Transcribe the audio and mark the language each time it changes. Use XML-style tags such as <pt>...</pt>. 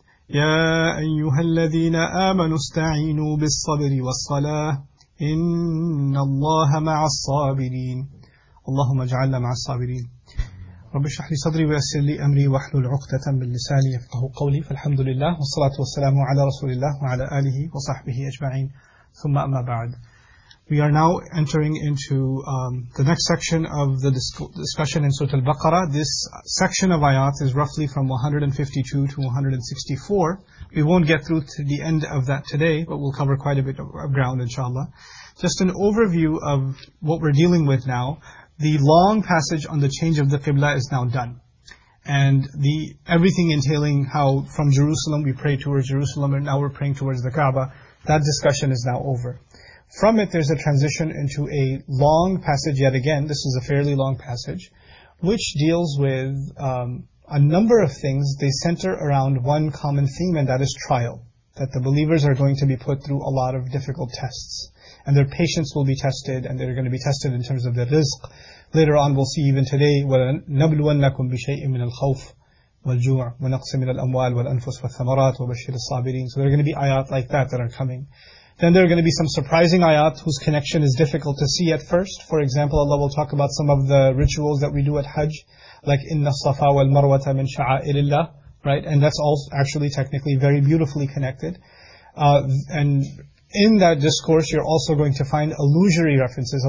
<ar>يا أيها الذين آمنوا استعينوا بالصبر والصلاة إن الله مع الصابرين. اللهم اجعلنا مع الصابرين. رب اشرح لي صدري ويسر لي أمري واحلل عقدة من لساني يفقهوا قولي. فالحمد لله والصلاة والسلام على رسول الله وعلى آله وصحبه أجمعين. ثم أما بعد.</ar> <en>We are now entering into the next section of the discussion in Surah Al-Baqarah. This section of ayat is roughly from 152 to 164. We won't get through to the end of that today, but we'll cover quite a bit of ground, inshallah. Just an overview of what we're dealing with now. The long passage on the change of the Qibla is now done. And the everything entailing how from Jerusalem we pray towards Jerusalem and now we're praying towards the Kaaba, that discussion is now over. From it, there's a transition into a long passage yet again. This is a fairly long passage, which deals with a number of things. They center around one common theme, and that is trial. That the believers are going to be put through a lot of difficult tests. And their patience will be tested, and they're going to be tested in terms of their rizq. Later on, we'll see even today,</en> <ar>وَنَبْلُوَنَّكُمْ بِشَيْءٍ مِّنَ الْخَوْفِ وَالْجُوعِ وَنَقْسِ مِنَ الْأَمْوَالِ وَالْأَنفُسِ وَالثَّمَرَاتِ وَبَشِّرِ الصَّابِرِينَ.</ar> <en>So there are going to be ayat like that that are coming. Then there are going to be some surprising ayat whose connection is difficult to see at first. For example, Allah will talk about some of the rituals that we do at Hajj, like</en> <ar>إِنَّ الصَّفَا وَالْمَرْوَةَ مِنْ شَعَائِرِ اللَّهِ,</ar> <en>right? And that's all actually technically very beautifully connected. And in that discourse, you're also going to find illusory references.</en>